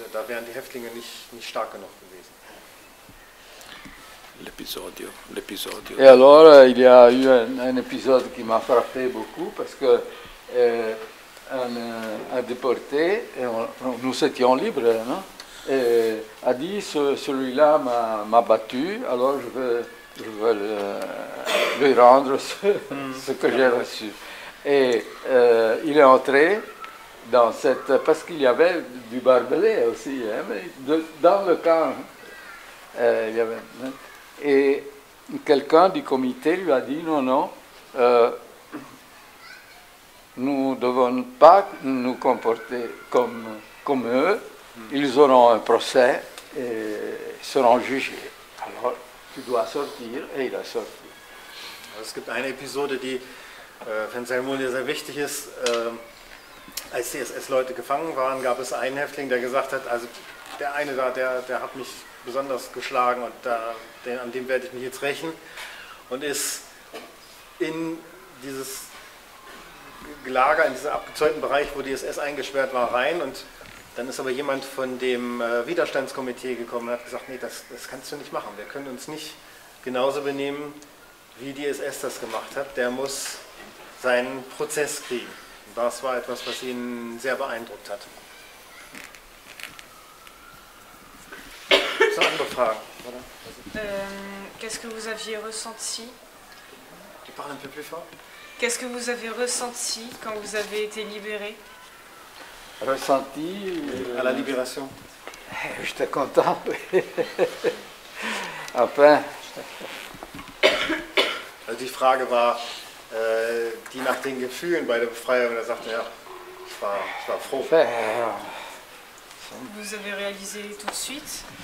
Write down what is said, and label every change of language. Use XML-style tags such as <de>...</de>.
<de>Da wären die Häftlinge nicht stark genug gewesen.</de> <it>L'episodio.</it> <fr>Et alors, il y a eu un épisode qui m'a frappé beaucoup parce que un déporté, nous étions libres, non? Et a dit celui-là m'a battu, alors je veux lui rendre ce que j'ai reçu. Et il est entré dans cette, parce qu'il y avait du barbelé aussi, hein, mais dans le camp, il y avait. Hein, et quelqu'un du comité lui a dit nous ne devons pas nous comporter comme eux, ils auront un procès et seront jugés. Alors tu dois sortir, et il a sorti.</fr> <de>Es gibt eine Episode, die für Salmonia sehr wichtig ist. Als die SS-Leute gefangen waren, gab es einen Häftling, der gesagt hat, also der eine da, der hat mich besonders geschlagen und an dem werde ich mich jetzt rächen, und ist in dieses Lager, in diesen abgezäunten Bereich, wo die SS eingesperrt war, rein. Und dann ist aber jemand von dem Widerstandskomitee gekommen und hat gesagt, nee, das kannst du nicht machen, wir können uns nicht genauso benehmen, wie die SS das gemacht hat, der muss seinen Prozess kriegen. Und das war etwas, was ihn sehr beeindruckt hat. Das ist eine andere Frage, oder?</de> <fr>Qu'est-ce que vous aviez ressenti? Tu parles un peu plus fort. Qu'est-ce que vous avez ressenti quand vous avez été libéré? Ressenti à la libération. J'étais content. Enfin.</fr> <de>Also die Frage war, die nach den Gefühlen bei der Befreiung. Er sagte, ja, ich war froh.</de> <fr>Vous avez réalisé tout de suite.</fr>